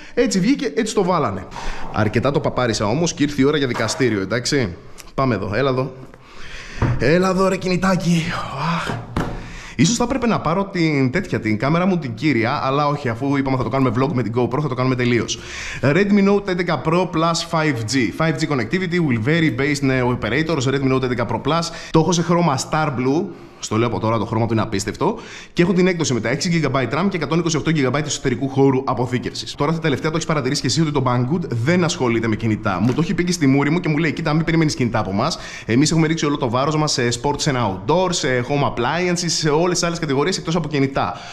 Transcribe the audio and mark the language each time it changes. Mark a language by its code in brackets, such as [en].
[el] Έτσι βγήκε, έτσι το βάλανε. Αρκετά το παπάρισα όμως και ήρθε η ώρα για δικαστήριο, εντάξει. Πάμε εδώ, έλα εδώ. Έλα εδώ, ρε κινητάκι. Ίσως θα έπρεπε να πάρω την τέτοια, την κάμερα μου την κύρια, αλλά όχι, αφού είπαμε θα το κάνουμε vlog με την GoPro, θα το κάνουμε τελείως. Redmi Note 11 Pro Plus 5G. [en] 5G connectivity will vary based on operators. [el] Redmi Note 11 Pro Plus. Το έχω σε χρώμα Star Blue. Στο λέω από τώρα, το χρώμα του είναι απίστευτο. Και έχω την έκδοση με τα 6 GB RAM και 128 GB εσωτερικού χώρου αποθήκευσης. Τώρα, τα τελευταία, το έχεις παρατηρήσει και εσύ ότι το Banggood δεν ασχολείται με κινητά. Μου το έχει πει και στη μούρη μου και μου λέει: κοίτα, μην περιμένεις κινητά από εμάς. Εμείς έχουμε ρίξει όλο το βάρος μας σε [en] sports and outdoor, [el] σε home appliances, σε όλες τις άλλες κατηγορίες εκτός από κινητά.